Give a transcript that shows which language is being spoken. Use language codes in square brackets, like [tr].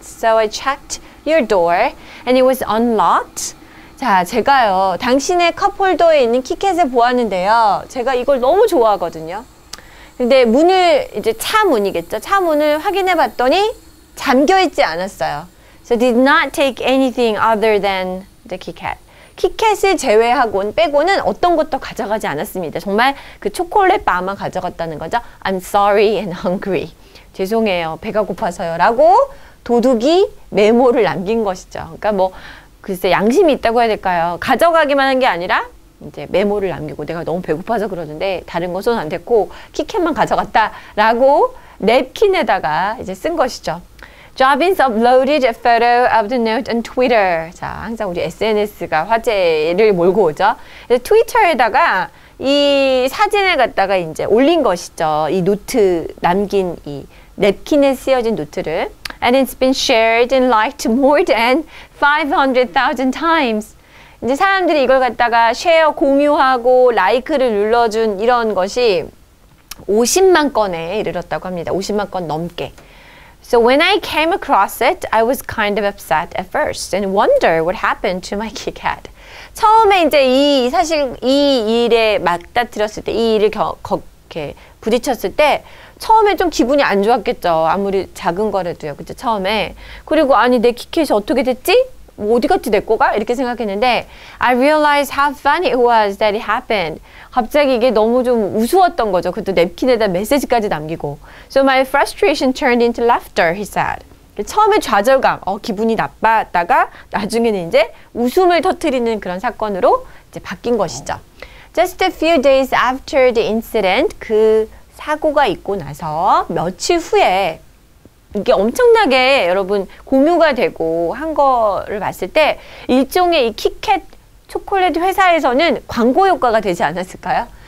[en] So I checked your door and it was unlocked. [ko] 자, 제가요. 당신의 컵홀더에 있는 KitKat을 보았는데요. 제가 이걸 너무 좋아하거든요. 근데 문을 이제 차 문이겠죠. 차 문을 확인해 봤더니 잠겨 있지 않았어요. [en] So did not take anything other than the KitKat. [ko] 킷캣을 제외하고는 빼고는 어떤 것도 가져가지 않았습니다. 정말 그 초콜릿 바만 가져갔다는 거죠. [en] I'm sorry and hungry. [ko] 죄송해요. 배가 고파서요. 라고 도둑이 메모를 남긴 것이죠. 그러니까 뭐 글쎄 양심이 있다고 해야 될까요. 가져가기만 한 게 아니라 이제 메모를 남기고 내가 너무 배고파서 그러는데 다른 건 손 안 댔고 킷캣만 가져갔다 라고 냅킨에다가 이제 쓴 것이죠. [en] Jobbins uploaded a photo of the note on Twitter. [ko] 자, 항상 우리 SNS가 화제를 몰고 오죠. 그래서 트위터에다가 이 사진을 갖다가 이제 올린 것이죠. 이 노트 남긴 이 냅킨에 쓰여진 노트를. [en] And it's been shared and liked more than 500,000 times. [ko] 이제 사람들이 이걸 갖다가 share 공유하고 like를 눌러준 이런 것이 50만 건에 이르렀다고 합니다. 50만 건 넘게. [en] So when I came across it, I was kind of upset at first and wonder what happened to my KitKat. [ko] 처음에 이제 이 일에 맞닥뜨렸을 때, 이 일을 이렇게 부딪혔을 때 처음에 좀 기분이 안 좋았겠죠. 아무리 작은 거라도요. 그쵸? 처음에. 그리고 아니 내 KitKat이 어떻게 됐지? 뭐 어디 갔지 내 거가? 이렇게 생각했는데 [en] I realized how funny it was that it happened. [ko] 갑자기 이게 너무 좀 우스웠던 거죠. 그것도 냅킨에다 메시지까지 남기고. [en] So my frustration turned into laughter, he said. [ko] 처음에 좌절감, 기분이 나빴다가 나중에는 이제 웃음을 터뜨리는 그런 사건으로 이제 바뀐 것이죠. [en] Just a few days after the incident, [ko] 그 사고가 있고 나서 며칠 후에 이게 엄청나게 여러분 공유가 되고 한 거를 봤을 때 일종의 이 킷캣 초콜릿 회사에서는 광고 효과가 되지 않았을까요?